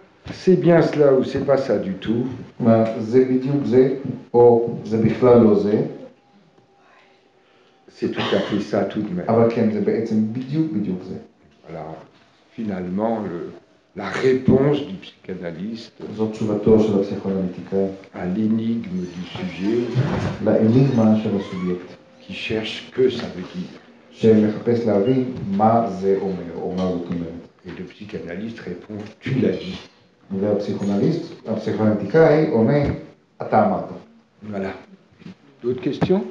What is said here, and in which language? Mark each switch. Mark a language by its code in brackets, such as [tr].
[fr] C'est bien cela ou c'est pas ça du tout. [he] זה בדיוק זה, או זה בכלל לא זה. [fr] C'est tout à fait ça tout de même. [he] אבל כן, זה בעצם בדיוק בדיוק זה. [fr] Alors, finalement, la réponse du psychanalyste [he] זו תשובתו של הפסיכואנליטיקאי [fr] à l'énigme du sujet [he] l'énigme של הסובייקט [fr] qui cherche que ça veut dire [he] שמחפש להבין מה זה אומר או מה זאת אומרת [fr] et le psychanalyste répond tu l'as dit [he] והפסיכואנליטיקאי אומר אתה אמרת [fr] voilà d'autres questions